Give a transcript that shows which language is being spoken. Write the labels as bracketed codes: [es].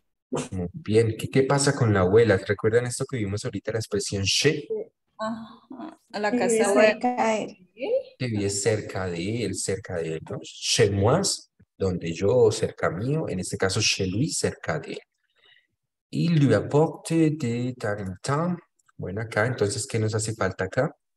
[es] Muy bien. ¿Qué pasa con la abuela? ¿Recuerdan esto que vimos ahorita, la expresión che? A la casa de caer. Vive cerca de él, ¿no? [fr] Chez moi, [es] donde yo, cerca mío, en este caso [fr] chez lui, [es] cerca de él. [fr] Il lui apporte de temps en temps. [es] Bueno, acá, entonces, ¿qué nos hace falta acá?